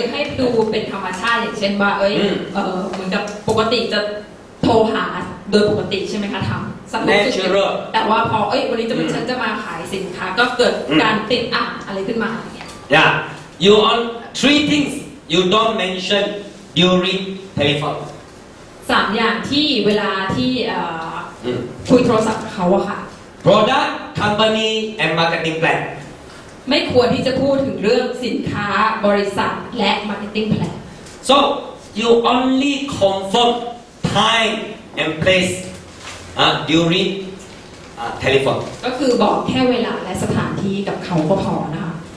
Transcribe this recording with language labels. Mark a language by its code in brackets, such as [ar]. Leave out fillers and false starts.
[th] ให้ดูเป็นธรรมชาติอย่างเช่นว่าเอ้ยเหมือนกับปกติจะโทรหาโดยปกติใช่ไหมคะทำ [en] natural [th] แต่ว่าพอเอ้ยวันนี้จะเป็นฉันจะมาขายสินค้าก็เกิดการติดอะอะไรขึ้นมาเนี่ย [en] yeah you onThree things you don't mention during telephone. [th] 3 อย่างที่เวลาที่คุยโทรศัพท์เขาอะค่ะ [en] Product, company, and marketing plan. [th] ไม่ควรที่จะพูดถึงเรื่องสินค้าบริษัทและ marketing plan. [en] So you only confirm time and place during telephone. [th] ก็คือบอกแค่เวลาและสถานที่กับเขาก็พอนะคะ